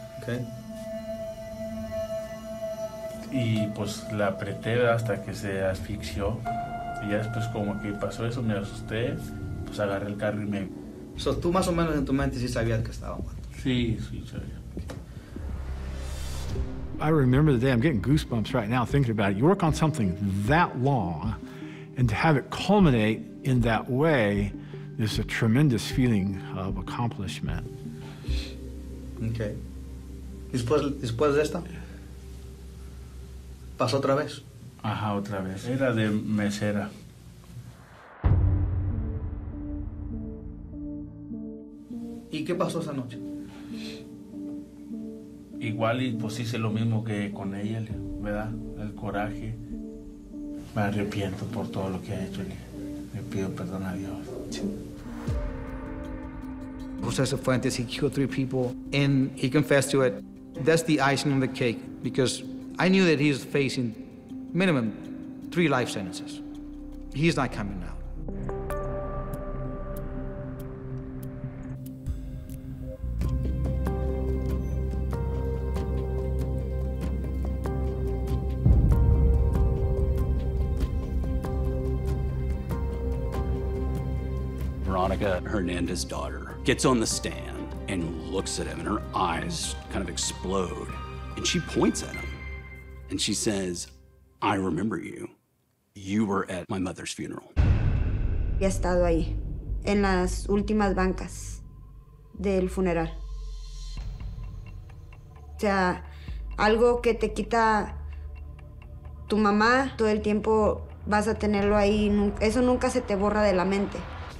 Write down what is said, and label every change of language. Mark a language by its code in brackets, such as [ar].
[es] Ok. Y pues la apreté, ¿verdad? Hasta que se asfixió. Y ya después como que pasó eso, me asusté, pues agarré el carro y me... So, tú más o menos en tu mente sí sabías que estaba muerto. Sí, sí, sabía. [en] I remember the day, I'm getting goosebumps right now thinking about it. You work on something that long, and to have it culminate in that way is a tremendous feeling of accomplishment. [es] Okay. Después de esta, pasó otra vez. Ajá, otra vez. Era de mesera. ¿Y qué pasó esa noche? Igual y pues hice lo mismo que con ella, ¿verdad? El coraje. Me arrepiento por todo lo que ha hecho. Le pido perdón a Dios. [en] José Cifuentes, he killed three people and he confessed to it. That's the icing on the cake because I knew that he's facing minimum three life sentences. He's not coming out. Veronica Hernandez's daughter gets on the stand and looks at him, and her eyes kind of explode. And she points at him, and she says, I remember you. You were at my mother's funeral. [es] He estado ahí, en las últimas bancas del funeral. O sea, algo que te quita tu mamá, todo el tiempo vas a tenerlo ahí. Eso nunca se te borra de la mente.